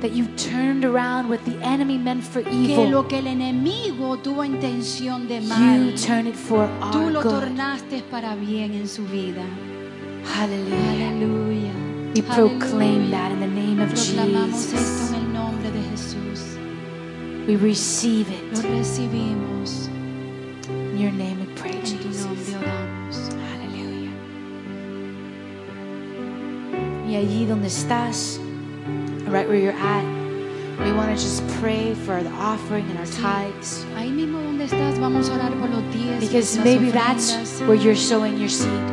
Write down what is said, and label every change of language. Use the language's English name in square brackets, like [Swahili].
[English] That you turned around what the enemy meant for evil. [Spanish] Que lo que el enemigo tuvo intención de mal. [English] You turn it for our good. [Spanish] Tú lo [English] good. [Spanish] Tornaste para bien en su vida. Hallelujah. Hallelujah. [English] We proclaim that in the name of [Spanish] proclamamos [English] Jesus. [Spanish] Esto en el nombre de Jesús. [English] We receive it. [Spanish] Lo recibimos. [English] In your name we pray, [Spanish] en [English] Jesus. [Spanish] Tu nombre oramos. [English] Hallelujah. [Spanish] Y allí donde estás, [English] right where you're at, we want to just pray for the offering and our tithes. [Spanish] Ahí mismo donde estás, vamos a orar por los diezmos. [English] Because maybe that's where you're sowing your seed.